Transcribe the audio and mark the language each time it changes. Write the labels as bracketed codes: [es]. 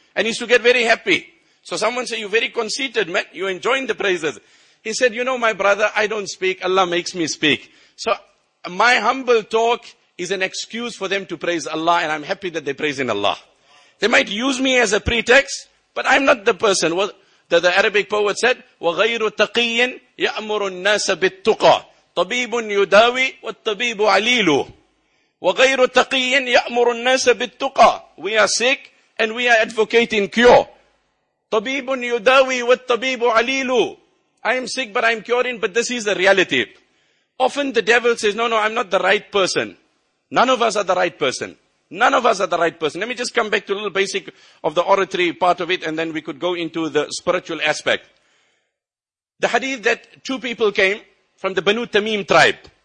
[en] And he used to get very happy. So someone said, you're very conceited, man. You're enjoying the praises. He said, you know, my brother, I don't speak. Allah makes me speak. So my humble talk is an excuse for them to praise Allah. And I'm happy that they're praising Allah. They might use me as a pretext, but I'm not the person. Well, the Arabic poet said, [ar] وَغَيْرُ تَقِيٍّ يَأْمُرُ النَّاسَ بِالتُّقَى طَبِيبٌ يُدَاوِي وَالطَّبِيبُ عَلِيلُ وَغَيْرُ تَقِيٍّ يَأْمُرُ النَّاسَ بِالتُّقَى. [en] We are sick and we are advocating cure. [ar] طَبِيبٌ يُدَاوِي وَالطَّبِيبُ عَلِيلُ. [en] I am sick but I am curing, but this is the reality. Often the devil says, no, I'm not the right person. None of us are the right person. None of us are the right person. Let me just come back to a little basic of the oratory part of it, and then we could go into the spiritual aspect. The hadith that two people came from the Banu Tamim tribe.